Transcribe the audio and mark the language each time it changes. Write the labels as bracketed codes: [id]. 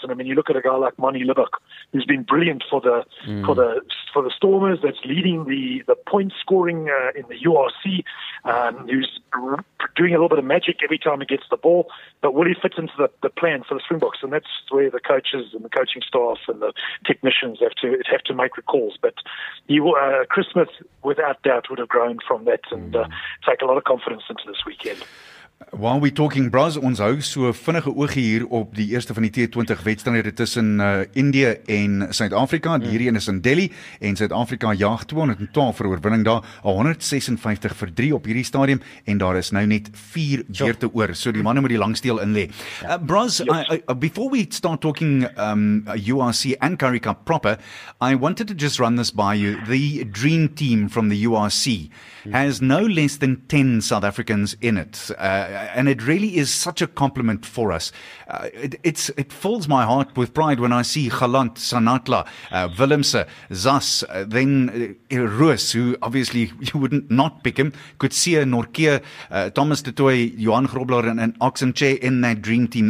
[en] And I mean, you look at a guy like Monty Libbock, who's been brilliant for the Stormers, that's leading the point scoring in the URC, who's doing a little bit of magic every time he gets the ball. But will he fit into the plan for the Springboks? And that's where the coaches and the coaching staff and the technicians have to make the calls. But Chris Smith, without doubt, would have grown from that and take a lot of confidence into this weekend. While we're talking, [af] Braz, ons hou so vinnige oogie hier op die eerste van die T20 wedstryde tussen Indië en Suid-Afrika. Hierdie een is in Delhi en Suid-Afrika jaag 212 vir oorwinning daar, 156 vir 3 op hierdie stadium en daar is nou net 4 beurte oor. So die manne moet die langsteel inlê. [en] Braz, before we start talking URC and Currie Cup proper, I wanted to just run this by you. The dream team from the URC has no less than 10 South Africans in it. And it really is such a compliment for us. It fills my heart with pride when I see Galant, Sanatla, Willemse, Zas, then Roos, who obviously you wouldn't not pick him, Kutsia, Norkia, Thomas de Toy, Johan Grobler, and Oxenche in that dream team.